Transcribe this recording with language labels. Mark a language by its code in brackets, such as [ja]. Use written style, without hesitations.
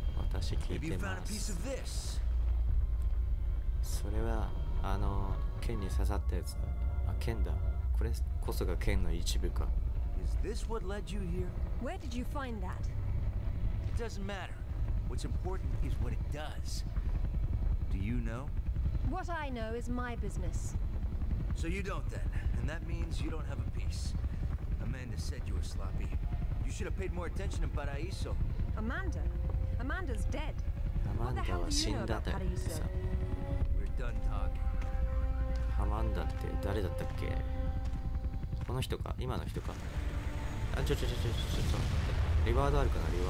[ja] 私聞いてます。それは、剣に刺さったやつだ。あ、剣だ。これこそが剣の一部か。 [en] Is this what led you here? Where did you find that? It doesn't matter. What's important is what it does. Do you know? What I know is my business. So you don't then, and that means you don't have a piece. Amanda said you were sloppy. You should have paid more attention to Paraíso. Amanda? Amanda's dead. [ja] Amanda は死んだってさ。 [en] We're done talking. [ja] Amanda って誰だったっけ？この人か、今の人か。あ、ちょっと待って、リワードあるかな。